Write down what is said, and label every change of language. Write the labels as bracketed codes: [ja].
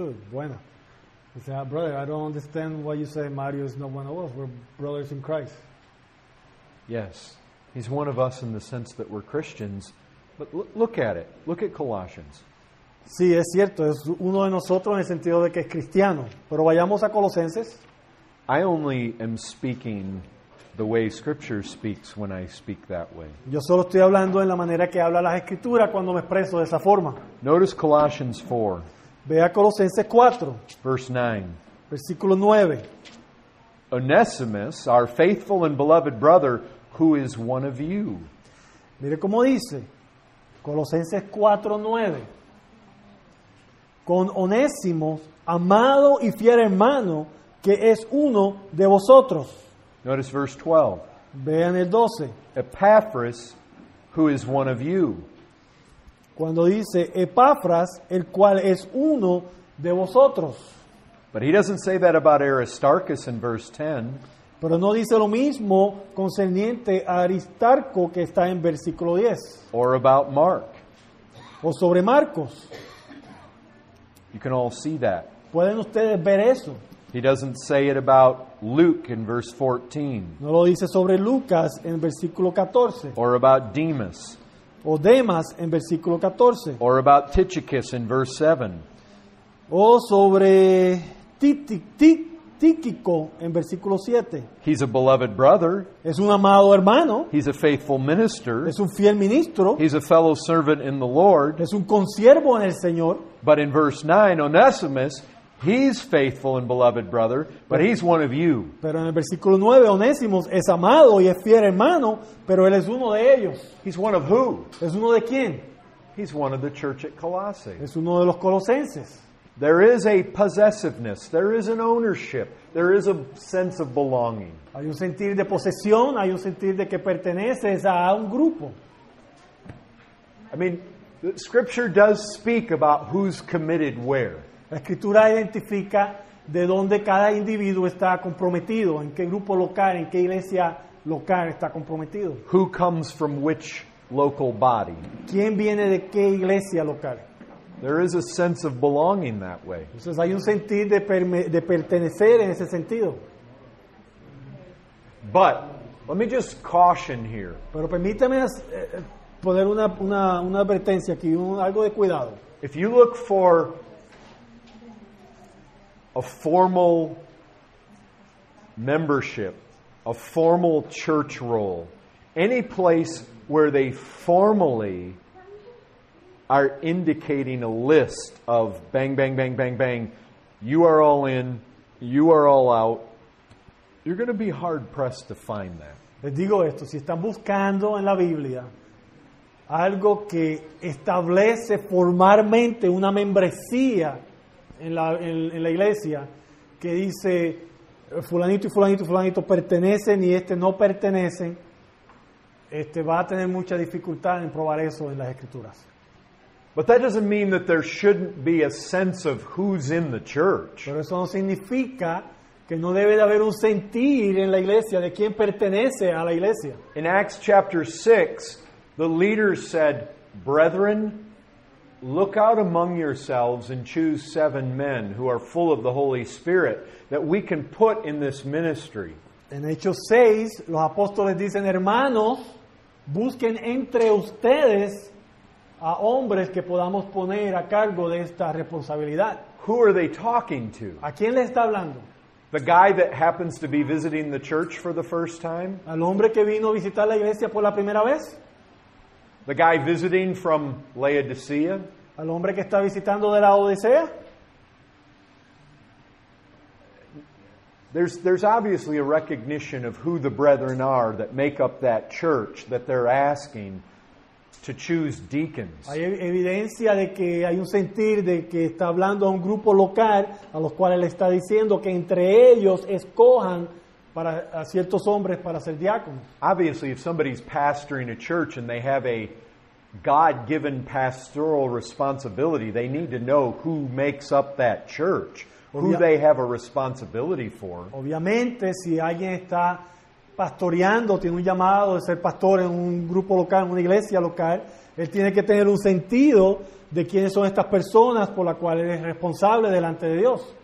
[es] Bueno, [en] he said, brother, I don't understand why you say Mario is not one of us. We're brothers in Christ. Yes, he's one of us in the sense that we're Christians. But look at it. Look at Colossians. [es] Sí, es cierto. Es uno de nosotros en el sentido de que es cristiano. Pero vayamos a Colosenses. [en] I only am speaking the way Scripture speaks when I speak that way. [es] Yo solo estoy hablando en la manera que habla la Escritura cuando me expreso de esa forma. [en] Notice Colossians 4. [es] Vea Colosenses 4, [en] verse 9. [es] Versículo 9. [en] Onesimus, our faithful and beloved brother, who is one of you. [es] Mire cómo dice, Colosenses 4, 9. Con Onésimo, amado y fiel hermano, que es uno de vosotros. [en] Notice verse 12. [es] Vean el 12. [en] Epaphras, who is one of you. [es] Cuando dice Epafras, el cual es uno de vosotros. [en] But he doesn't say that about Aristarchus in verse 10. [es] Pero no dice lo mismo concerniente a Aristarco que está en versículo 10. [en] Or about Mark. [es] O sobre Marcos. [en] You can all see that. [es] Pueden ustedes ver eso. [en] He doesn't say it about Luke in verse 14. [es] No lo dice sobre Lucas en versículo 14. [en] Or about Demas. [es] O Demas en versículo 14. [en] Or about Tychicus in verse 7. [es] O sobre Tíquico en versículo 7. [en] He's a beloved brother. [es] Es un amado hermano. [en] He's a faithful minister. [es] Es un fiel ministro. [en] He's a fellow servant in the Lord. [es] Es un consiervo en el Señor. [en] But in verse 9, Onesimus, he's faithful and beloved brother, but he's one of you. [es] Pero en el versículo 9, Onésimos es amado y es fiel hermano, pero él es uno de ellos. [en] He's one of who? [es] ¿Es uno de quién? [en] He's one of the church at Colossae. [es] Es uno de los colosenses. [en] There is a possessiveness. There is an ownership. There is a sense of belonging. [es] Hay un sentir de posesión. Hay un sentir de que perteneces a un grupo. [en] I mean, the Scripture does speak about who's committed where. [es] La Escritura identifica de dónde cada individuo está comprometido, en qué grupo local, en qué iglesia local está comprometido. [en] Who comes from which local body? [es] ¿Quién viene de qué iglesia local? [en] There is a sense of belonging that way. [es] Entonces hay un sentir de pertenecer en ese sentido. [en] But, let me just caution here. [es] Pero permítame poner una advertencia aquí, algo de cuidado. [en] If you look for a formal membership, a formal church role, any place where they formally are indicating a list of bang, bang, bang, bang, bang, you are all in, you are all out, you're going to be hard-pressed to find that. [es] Les digo esto, si están buscando en la Biblia algo que establece formalmente una membresía en la iglesia que dice fulanito y fulanito y fulanito pertenecen y este no pertenecen, va a tener mucha dificultad en probar eso en las Escrituras. [en] But that doesn't mean that there shouldn't be a sense of who's in the church. [es] Pero eso no significa que no debe de haber un sentir en la iglesia de quién pertenece a la iglesia. [en] In Acts chapter 6, the leaders said, brethren, look out among yourselves and choose 7 men who are full of the Holy Spirit that we can put in this ministry. [es] En Hechos 6, los apóstoles dicen, hermanos, busquen entre ustedes a hombres que podamos poner a cargo de esta responsabilidad. [en] Who are they talking to? [es] ¿A quién le está hablando? [en] The guy that happens to be visiting the church for the first time? [es] ¿Al hombre que vino a visitar la iglesia por la primera vez? [en] The guy visiting from Laodicea? [es] ¿Al hombre que está visitando de la Odisea? [en] There's obviously a recognition of who the brethren are that make up that church that they're asking to choose deacons. [es] Hay evidencia de que hay un sentir de que está hablando a un grupo local a los cuales le está diciendo que entre ellos escojan para a ciertos hombres para ser diáconos. [en] Obviously, if somebody's pastoring a church and they have a God-given pastoral responsibility, they need to know who makes up that church, who they have a responsibility for. [es] Obviamente, si alguien está pastoreando, tiene un llamado de ser pastor en un grupo local, en una iglesia local, él tiene que tener un sentido de quiénes son estas personas por las cuales es responsable delante de Dios.